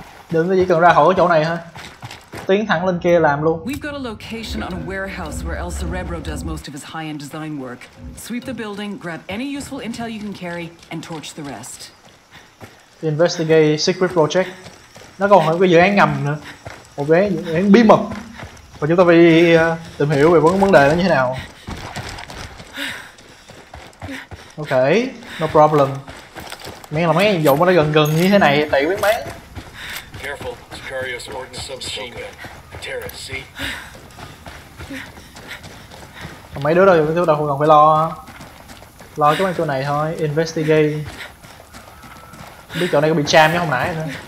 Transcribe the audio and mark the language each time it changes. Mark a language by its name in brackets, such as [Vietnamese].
[Vietnamese] Đừng có chỉ cần ra khỏi chỗ này thôi. Tiến thẳng lên kia làm luôn. [English] We've got a location on a warehouse where El Cerebro does most of his high-end design work. Sweep the building, grab any useful intel you can carry, and torch the rest. Investigate secret project. [Vietnamese] Nó còn hỏi cái dự án ngầm nữa. Một cái dự án bí mật. Và chúng ta phải đi tìm hiểu về vấn đề nó như thế nào. [English] Ok, no problem. [Vietnamese] Mấy là mấy nhiệm vụ nó gần gần như thế này, tại quyết mấy. [English] Careful, Sicarius ordered submachine gun. Terra, see? [Vietnamese] Còn mấy đứa đâu, chúng ta không cần phải lo. Lo cái mấy chỗ này thôi, investigate. Không biết chỗ này có bị jam chứ không nãy nữa.